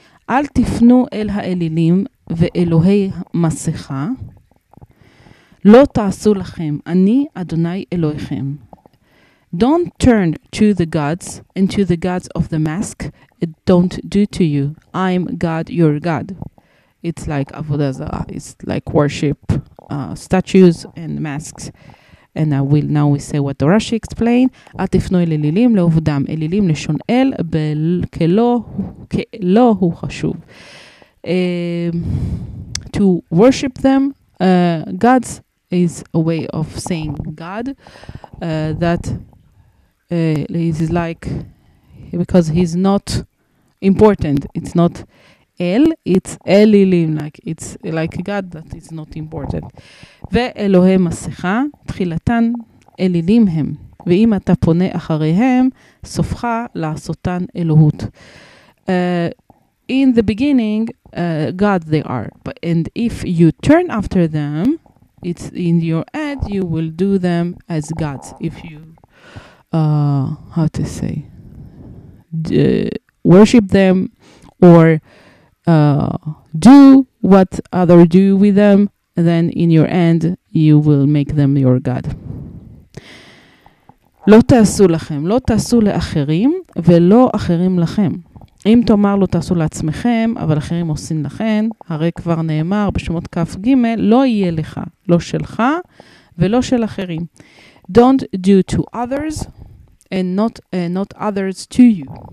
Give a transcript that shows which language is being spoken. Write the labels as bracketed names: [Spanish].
[Hebrew] אל תפנו אל האלילים ואלוהי מסכה, לא תעשו לכם, אני אדוני אלוהיכם. [English] Don't turn to the gods and to the gods of the mask. It don't do to you. I'm God, your God. It's like avodah zarah. It's like worship statues and masks. And I will now we say what Rashi explained. [Hebrew] אל תפנו אל אלילים לעובדם. אלילים לשון אל, כלא הוא חשוב. [English] To worship them, gods is a way of saying God. That is like, because he's not important. It's not אל, it's אלילים, like it's like God that is not important. [Hebrew] ואלוהי מסכה, תחילתן אלילים הם, ואם אתה פונה אחריהם, סופך לעשותן אלוהות. [English] In the beginning, God they are, and if you turn after them, it's in your head, you will do them as gods. If you, worship them, or do what other do with them, then in your end you will make them your God. [Hebrew] לא תעשו לכם, לא תעשו לאחרים ולא אחרים לכם. אם תאמר לא תעשו לעצמכם, אבל אחרים עושים לכם, הרי כבר נאמר בשמות כף ג' לא יהיה לך, לא שלך ולא של אחרים. [English] Don't do to others and not others to you.